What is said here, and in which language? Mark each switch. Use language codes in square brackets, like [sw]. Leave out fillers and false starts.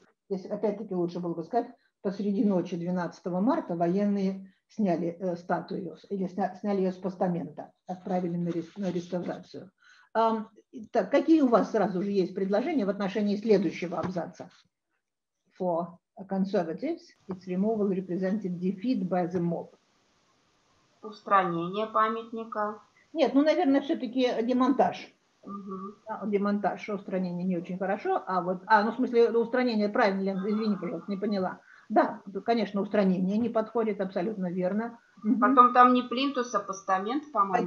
[ru] Здесь опять-таки лучше было бы сказать, посреди ночи 12 марта военные сняли статую или сняли ее с постамента, отправили на реставрацию. Так, какие у вас сразу же есть предложения в отношении следующего абзаца? [en] For conservatives, its removal represented defeat by the mob. [ru] Устранение памятника. Нет, ну, наверное, все-таки демонтаж. Угу. Демонтаж, устранение не очень хорошо. А вот, ну, в смысле, устранение, правильно, Лен, извини, пожалуйста, не поняла. Да, конечно, устранение не подходит, абсолютно верно. Потом там не плинтус, а постамент, по-моему.